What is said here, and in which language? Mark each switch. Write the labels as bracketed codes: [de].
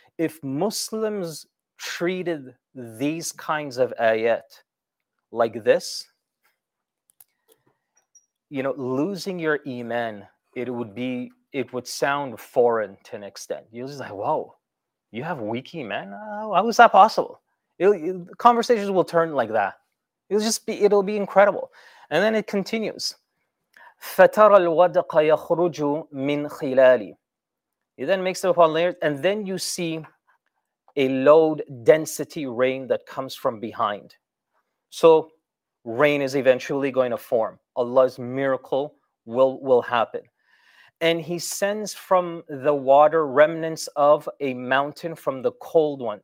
[en] If Muslims treated these kinds of ayat like this, you know, losing your iman, it would sound foreign to an extent. You're just like, whoa. You have weak iman? How is that possible? Conversations will turn like that. It'll be incredible. And then it continues. [ar] فترى الودق يخرج من خلالي. [en] He then makes it upon layers, and then you see a low density rain that comes from behind. So rain is eventually going to form. Allah's miracle will happen. And he sends from the water remnants of a mountain from the cold one.